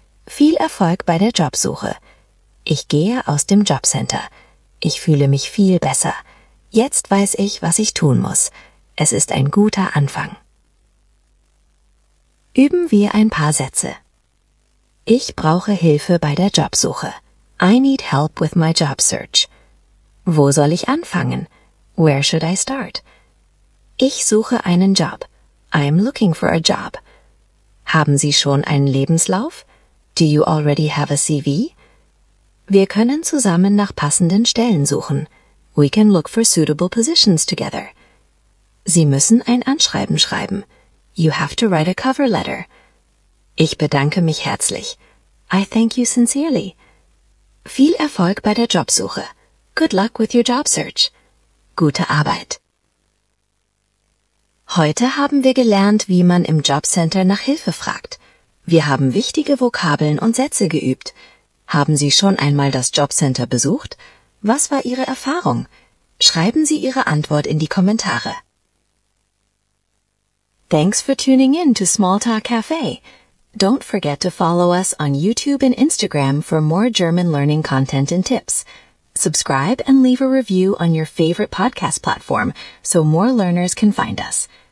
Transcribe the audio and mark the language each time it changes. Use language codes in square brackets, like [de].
[de] Viel Erfolg bei der Jobsuche. Ich gehe aus dem Jobcenter. Ich fühle mich viel besser. Jetzt weiß ich, was ich tun muss. Es ist ein guter Anfang. Üben wir ein paar Sätze. Ich brauche Hilfe bei der Jobsuche. [en] I need help with my job search. [de] Wo soll ich anfangen? [en] Where should I start? [de] Ich suche einen Job. [en] I'm looking for a job. [de] Haben Sie schon einen Lebenslauf? [en] Do you already have a CV? [de] Wir können zusammen nach passenden Stellen suchen. [en] We can look for suitable positions together. [de] Sie müssen ein Anschreiben schreiben. [en] You have to write a cover letter. [de] Ich bedanke mich herzlich. [en] I thank you sincerely. [de] Viel Erfolg bei der Jobsuche. [en] Good luck with your job search. [de] Gute Arbeit. Heute haben wir gelernt, wie man im Jobcenter nach Hilfe fragt. Wir haben wichtige Vokabeln und Sätze geübt. Haben Sie schon einmal das Jobcenter besucht? Was war Ihre Erfahrung? Schreiben Sie Ihre Antwort in die Kommentare. [en] Thanks for tuning in to Small Talk Cafe. Don't forget to follow us on YouTube and Instagram for more German learning content and tips. Subscribe and leave a review on your favorite podcast platform so more learners can find us.